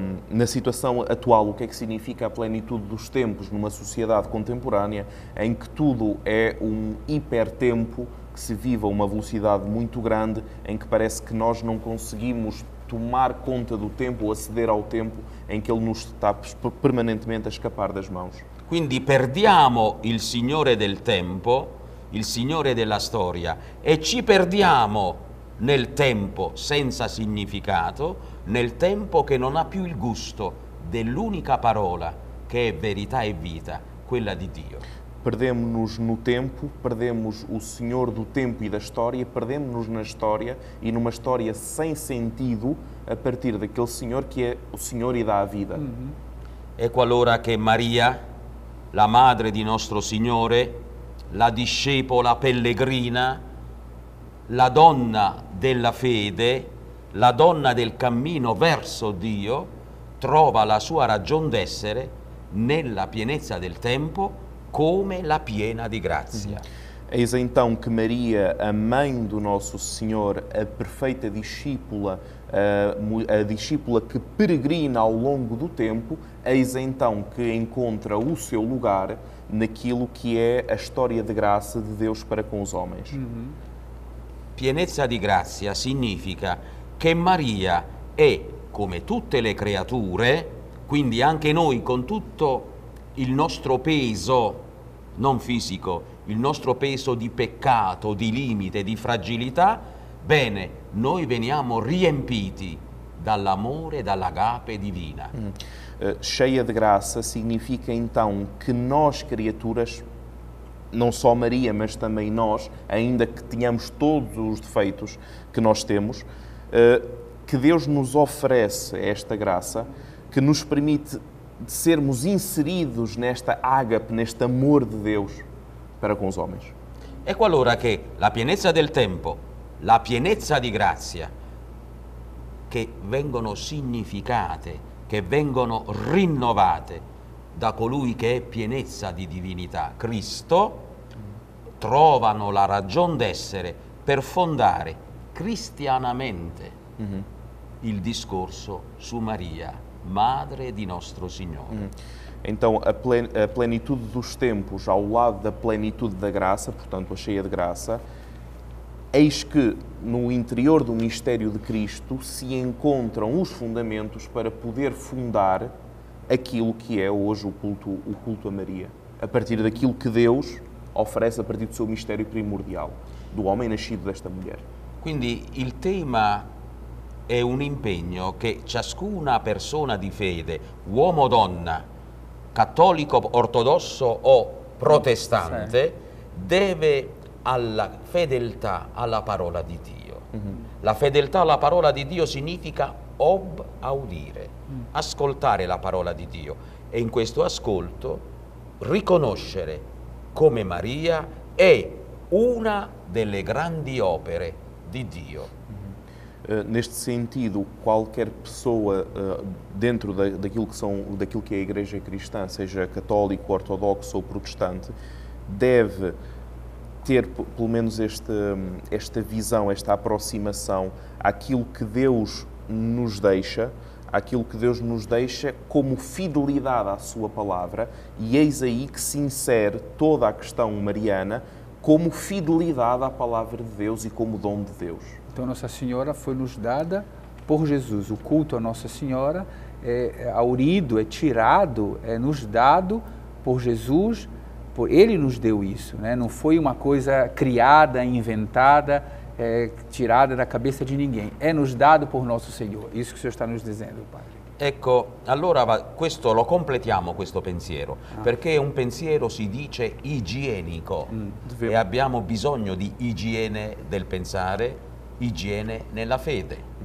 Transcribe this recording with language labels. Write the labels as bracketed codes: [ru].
[pt] Na situação atual, o que é que significa a plenitude dos tempos numa sociedade contemporânea em que tudo é um hipertempo, que se vive a uma velocidade muito grande, em que parece que nós não conseguimos tomar conta do tempo ou aceder ao tempo em que ele nos está permanentemente a escapar das mãos? [it] Quindi perdiamo il Signore del tempo, il Signore della storia, e ci perdiamo nel tempo senza significato, nel tempo che non ha più il gusto dell'unica parola che è verità e vita, quella di Dio. [pt] Perdemo-nos no tempo, perdemos o Senhor do tempo e da história, perdemo-nos na história e numa história sem sentido a partir daquele Senhor que é o Senhor e dá a vida. [it] E qualora che Maria, la madre di nostro Signore, la discepola pellegrina, la donna della fede, la donna del cammino verso Dio, trova la sua ragion d'essere nella pienezza del tempo come la piena di grazia. [pt] Eis então que Maria, a mãe do nosso Senhor, a perfeita discípula, a discípula que peregrina ao longo do tempo, eis então que encontra o seu lugar naquilo que é a história de graça de Deus para com os homens. [it] Pienezza di grazia significa che Maria è come tutte le creature, quindi anche noi con tutto il nostro peso, non fisico, il nostro peso di peccato, di limite, di fragilità, bene, noi veniamo riempiti dall'amore, dall'agape divina. [pt] Cheia [it] di grazia [pt] significa então [it] che noi creature, [pt] não só Maria, mas também nós, ainda que tenhamos todos os defeitos que nós temos, que Deus nos oferece esta graça, que nos permite sermos inseridos nesta ágape, neste amor de Deus para com os homens. [it] E qualora que la pienezza del tempo, la pienezza di grazia, che vengono significate, che vengono rinnovate da colui che è pienezza di divinità, Cristo, trovano la ragion d'essere per fondare cristianamente il discorso su Maria, madre di nostro Signore. [pt] Então, a plenitude dos tempos, ao lado da plenitude da graça, portanto, a cheia de graça, eis que no interior do mistério de Cristo se encontram os fundamentos para poder fundar aquilo que é hoje o culto a Maria, a partir daquilo que Deus oferece a partir do seu mistério primordial, do homem nascido desta mulher. [it] Quindi il tema è un impegno che ciascuna persona di fede, uomo o donna, cattolico, ortodosso o protestante, deve alla fedeltà alla parola di Dio. La fedeltà alla parola di Dio significa obaudire, ascoltare la parola di Dio, e in questo ascolto riconoscere come Maria è una delle grandi opere di Dio. [pt] Neste sentido, qualquer pessoa dentro daquilo que é a Igreja Cristã, seja católico, ortodoxo ou protestante, deve ter pelo menos esta visão, esta aproximação àquilo que Deus nos deixa, àquilo que Deus nos deixa como fidelidade à sua palavra, e eis aí que se insere toda a questão mariana como fidelidade à palavra de Deus e como dom de Deus. Então Nossa Senhora foi nos dada por Jesus. O culto a Nossa Senhora é haurido, é tirado, é nos dado por Jesus, por Ele nos deu isso, né? Não foi uma coisa criada, inventada, tirada da cabeça de ninguém. É nos dado por Nosso Senhor. Isso que o Senhor está nos dizendo, Padre. [it] Ecco, allora questo lo completiamo questo pensiero, perché è un pensiero, si dice, igienico, e abbiamo bisogno di igiene del pensare, igiene nella fede.